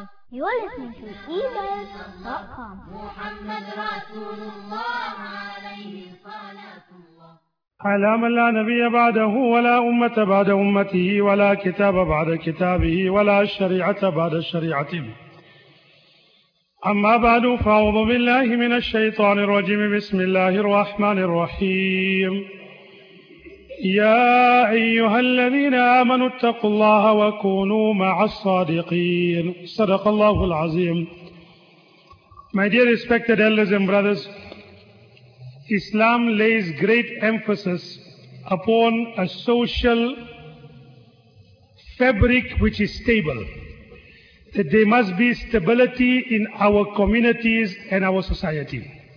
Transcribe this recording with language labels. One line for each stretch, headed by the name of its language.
English: You are listening to eBuzz.com.
Arabic: Muhammad Rasul Allah alayhi salatu Allah. على من لا نبي بعده ولا أمة بعد أمته ولا كتاب بعد كتابه ولا الشريعة بعد شريعته. أما بعد، فأعوذ بالله من الشيطان الرجيم. بسم الله الرحمن الرحيم. يا أيها الذين آمنوا اتقوا الله وكونوا مع الصادقين. صدق الله العظيم.
English: My dear respected elders and brothers, Islam lays great emphasis upon a social fabric which is stable, that there must be stability in our communities and our society.